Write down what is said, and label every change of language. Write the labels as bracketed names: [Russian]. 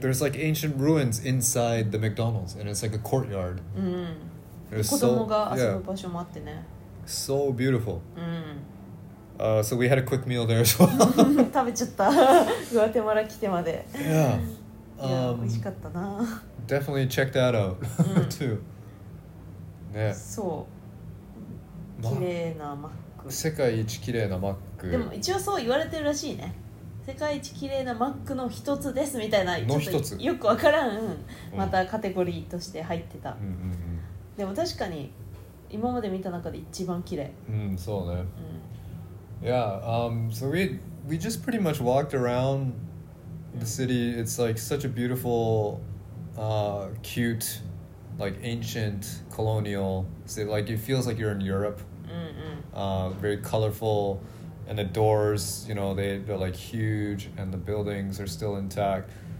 [English] There's like ancient ruins inside the McDonald's, and it's like a courtyard. [Japanese] There's 子供が遊ぶ場所もあってね。 [English] So beautiful. So we had a quick meal there as well. [Japanese] 食べちゃった。グアテマラ来てまで。 [English] Yeah. [Japanese] いや、美味しかったな。 [English] Definitely check that out too. [Japanese] ね。そう。綺麗なマック。世界一綺麗なマック。でも一応そう言われてるらしいね。世界一綺麗なマックの一つですみたいな、の一つよくわからん、またカテゴリーとして入ってた、うんうんうん、でも確かに今まで見た中で一番綺麗、うん、そうね、うん、 [English] Yeah, so we just pretty much walked around the city. It's like such a beautiful, cute, like ancient colonial city. Like it feels like you're in Europe. Very colorful, and the doors, you know, they're like huge, and the buildings are still intact.